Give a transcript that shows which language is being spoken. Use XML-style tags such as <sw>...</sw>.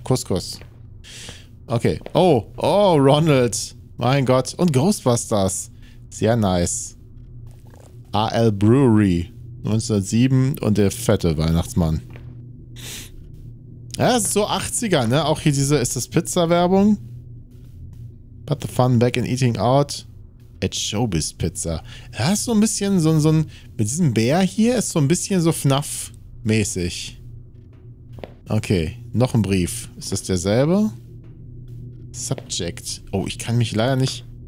<de>Kuss, Kuss. Okay. Oh, oh, Ronald. Mein Gott. Und Ghostbusters. Sehr nice. A.L. Brewery. 1907 und der fette Weihnachtsmann. Ja, das ist so 80er, ne? Auch hier diese, ist das Pizza-Werbung?</de> <en>Put the fun back in eating out. At Showbiz Pizza.</en> <de>Ja, ist so ein bisschen so ein, mit diesem Bär hier ist so ein bisschen so FNAF-mäßig. Okay, noch ein Brief. Ist das derselbe? Subject. Oh, ich kann mich leider nicht...</de>